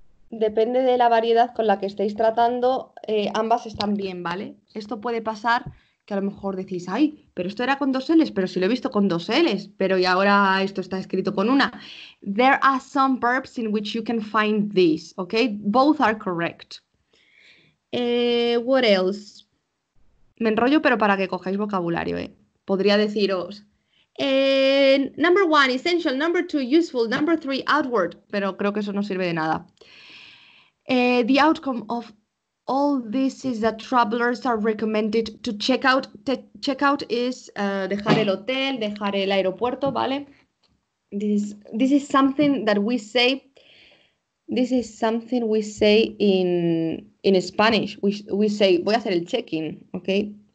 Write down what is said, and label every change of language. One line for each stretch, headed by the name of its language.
Spanish: depende de la variedad con la que estéis tratando, ambas están bien, ¿vale? Esto puede pasar que a lo mejor decís, ay, pero esto era con dos L's, pero si lo he visto con dos L's, pero y ahora esto está escrito con una.
English: There are some verbs in which you can find this, okay? Both are correct. What else?
Spanish: Me enrollo, pero para que cojáis vocabulario, ¿eh? Podría deciros,
English: number one, essential, number two, useful, number three, outward,
Spanish: pero creo que eso no sirve de nada.
English: The outcome of all this is that travelers are recommended to check out. Check out is
Spanish: dejar el hotel, dejar el aeropuerto, ¿vale?
English: This is something that we say. This is something we say in Spanish. We say,
Spanish: voy a hacer el check-in, okay?